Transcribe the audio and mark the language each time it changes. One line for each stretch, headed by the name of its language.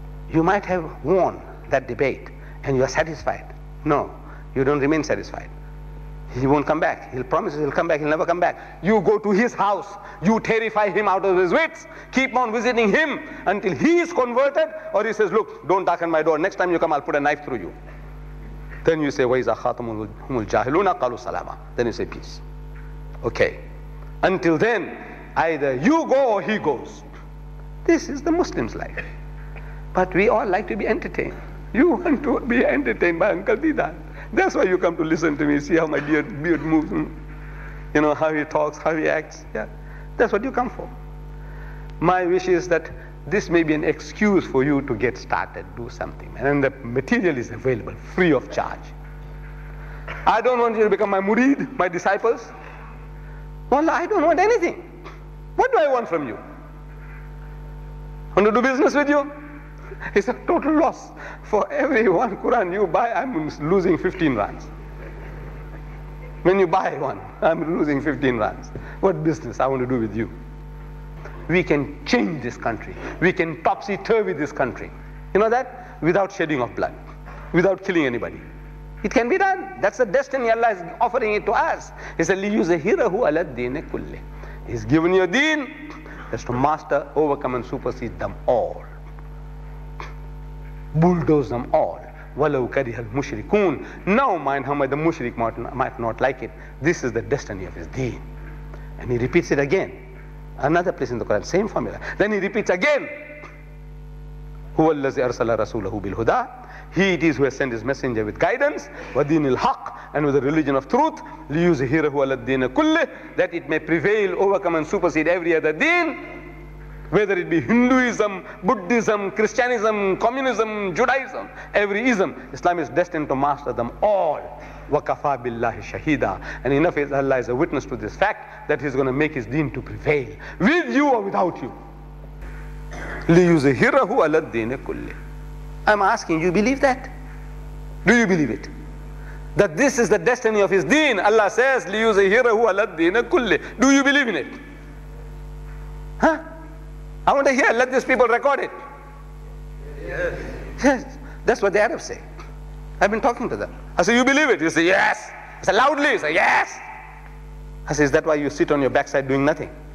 English: You might have won that debate and you are satisfied. No, you don't remain satisfied. He won't come back. He'll promise he'll come back. He'll never come back. You go to his house. You terrify him out of his wits. Keep on visiting him until he is converted, or he says, look, don't darken my door. Next time you come, I'll put a knife through you.
Arabic: Then you say, وَإِذَا خَاتَمُ هُمُ الْجَاهِلُونَ قَالُوا سَلَامًا.
English: Then you say, peace. Okay. Until then, either you go or he goes. This is the Muslim's life. But we all like to be entertained. You want to be entertained by Uncle Deedat. That's why you come to listen to me, see how my beard moves, you know, how he talks, how he acts. Yeah, that's what you come for. My wish is that this may be an excuse for you to get started, do something. And the material is available, free of charge. I don't want you to become my murid, my disciples. Well, I don't want anything. What do I want from you? Want to do business with you? It's a total loss. For every one Quran you buy, I'm losing 15 rands. When you buy one, I'm losing 15 rands. What business I want to do with you? We can change this country. We can topsy-turvy this country. You know that? Without shedding of blood. Without killing anybody. It can be done. That's the destiny Allah is offering it to us.
Arabic: He said, لِيُزَهِرَهُ عَلَى الدِّينِ كُلِّ.
English: He's given you a deen. That's to master, overcome and supersede them all. Bulldoze them all.
Arabic: وَلَوْ كَرِهَ الْمُشْرِكُونَ.
English: Now mind how the mushrik might not like it. This is the destiny of his deen. And he repeats it again. Another place in the Quran, same formula. Then he repeats again.
Arabic: هُوَ الَّذِي أَرْسَلَ رَسُولَهُ بِالْهُدَى.
English: He it is who has sent his messenger with guidance,
Arabic: وَدِينِ الْحَقِّ,
English: and with the religion of truth,
Arabic: لِيُزْهِرَهُ عَلَى الدِّينَ كُلِّهِ,
English: that it may prevail, overcome and supersede every other deen. Whether it be Hinduism, Buddhism, Christianism, Communism, Judaism, every ism, Islam is destined to master them all.
Arabic: وَكَفَى بِاللَّهِ شَهِدًا.
English: And enough is Allah is a witness to this fact that he's going to make his deen to prevail. With you or without you.
Arabic: لِيُزَهِرَهُ عَلَى الدِّينِ كُلِّهِ.
English: I'm asking, you believe that? Do you believe it? That this is the destiny of his deen.
Arabic: Allah says, لِيُزَهِرَهُ عَلَى الدِّينِ كُلِّهِ.
English: Do you believe in it? Huh? I want to hear, let these people record it. Yes. Yes. That's what the Arabs say. I've been talking to them. I say, you believe it? You say, yes. I say, loudly. You say, yes. I say, is that why you sit on your backside doing nothing?